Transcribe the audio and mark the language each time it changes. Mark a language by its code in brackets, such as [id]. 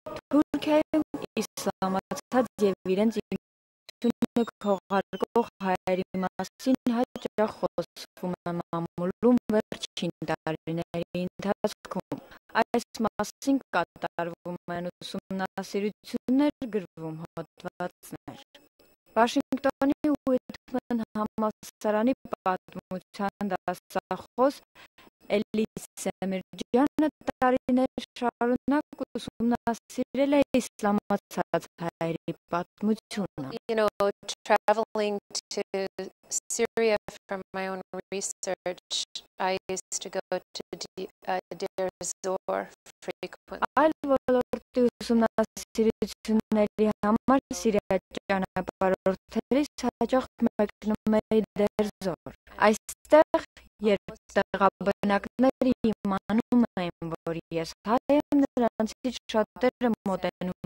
[hy] Թուրքիայում իսլամացած և իրենց ինքնությունը քողարկող հայերի մասին հաճախ խոսվում է մամուլում վերջին տարիների ընթացքում։ Այս մասին կատարվում են ուսումնասիրություններ, գրվում հոդվածներ։ Վաշինգտոնի Ուիթմեն համալսարանի պատմության դասախոս Էլի Սեմիրջյանը տարիներ շարունակ ուսումնասիրել է իսլամացած հայերի պատմությունը։ [en] You know, traveling to Syria from my own research, I used to go to Deir Zor frequently. [hy] Այլ ոլորտի ուսումնասիրությունների համար Սիրիա ճանապարհորդելիս հաճախ մեկնում էի Դեր Զոր։ Այստեղ, երբ տեղաբնակները իմանում էին, որ ես հայ եմ, նրանցից շատերը մոտենում